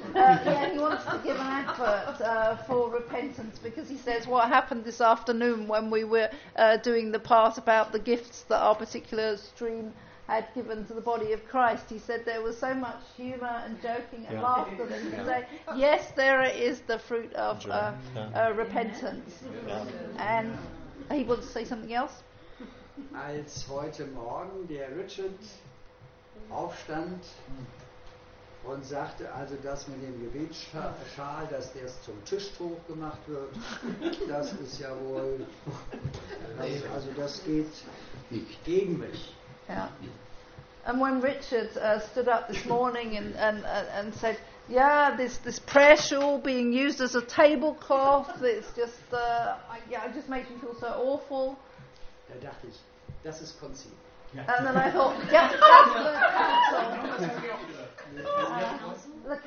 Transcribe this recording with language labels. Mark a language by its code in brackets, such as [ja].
[en] Yeah, he wants to give an advert for repentance because he says what happened this afternoon when we were doing the part about the gifts that our particular stream had given to the body of Christ. He said there was so much humor and joking and laughter that he could say, yes, there is the fruit of repentance. And he wants to say something else. [de] Als heute Morgen der Richard aufstand und sagte, also das mit dem Gebetsschal, dass der zum Tischtuch gemacht wird, das ist ja wohl, also das geht nicht gegen mich. Ja. [en] And when Richard stood up this morning and said, yeah, this prayer shawl being used as a tablecloth, it's just, it just makes me feel so awful. [de] Da dachte ich, das ist Konzil. [en] And then I thought, yeah, that's the council.